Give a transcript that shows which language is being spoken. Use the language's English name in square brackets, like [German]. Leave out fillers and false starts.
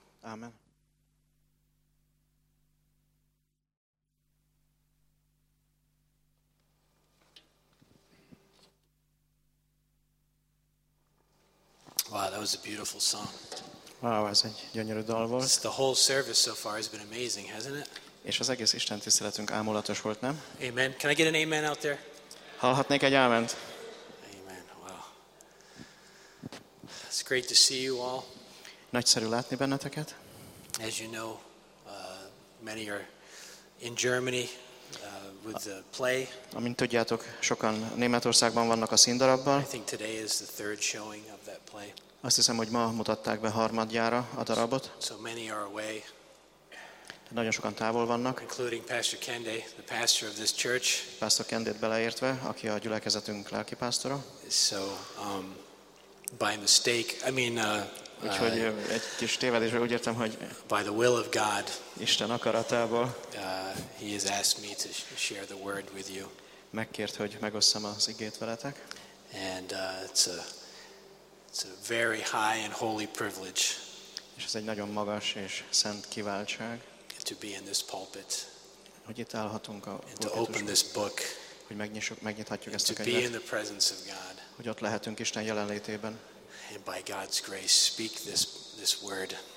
[English] Amen. That was a beautiful song. [Hungarian] Wow, ez egy gyönyörű dal volt. [English] It's the whole service so far has been amazing, hasn't it? [Hungarian] És az egész Isten tiszteletünk ámulatos volt, nem? [English] Amen. Can I get an amen out there? [Hungarian] Hallhatnék egy áment? [English] Amen. Wow. It's great to see you all. [Hungarian] Nagyszerű látni benneteket. [English] As you know, many are in Germany with the play. [Hungarian] Amint tudjátok, sokan Németországban vannak a színdarabban. [English] I think today is the third showing of that play. [Hungarian] Azt hiszem, hogy ma mutatták be harmadjára a darabot. [English] So many are away. [Hungarian] Nagyon sokan távol vannak. [English] Including Pastor Kende, the pastor of this church. [Hungarian] Pastor Kendét beleértve, aki a gyülekezetünk lelkipásztora. [English] So by mistake, I mean [Hungarian] úgyhogy egy kis tévedésre úgy értem, hogy [English] by the will of God, [Hungarian] Isten akaratából, [English] he has asked me to share the word with you. [Hungarian] Megkért, hogy megosszam az igét veletek. [English] And it's a very high and holy privilege. [Hungarian] És ez egy nagyon magas és szent kiváltság. [English] To be in this pulpit. [Hungarian] Hogy itt állhatunk a [English] pulpitus, to open this book. [Hungarian] Hogy megnyithatjuk ezt a könyvet. [English] To be in the presence of God. [Hungarian] Hogy ott lehetünk Isten jelenlétében. [English] And by God's grace speak this word.